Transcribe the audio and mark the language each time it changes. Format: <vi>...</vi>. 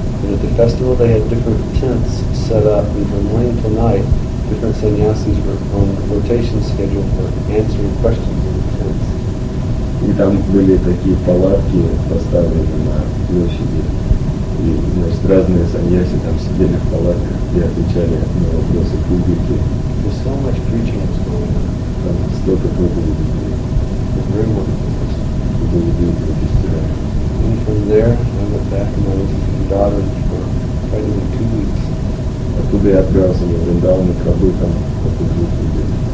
<en>And at the festival they had different tents set up, and from morning till night different sannyasis were on the rotation schedule for answering questions in</en> <ru>там были такие палатки поставлены на площади. И, значит, разные саньяси там сидели в палатках и отвечали на вопросы публики.</ru> <en>There's so much preaching was going on.</en> <ru>Там столько проповедей было.</ru> <en>It was very wonderful.</en> <ru>Было великое фестиваль.</ru> <en>And from there, I went back to my daughter for probably 2 weeks.</en> <ru>Оттуда я отправился на Вриндаван и пробыл там около 2 недель.</ru>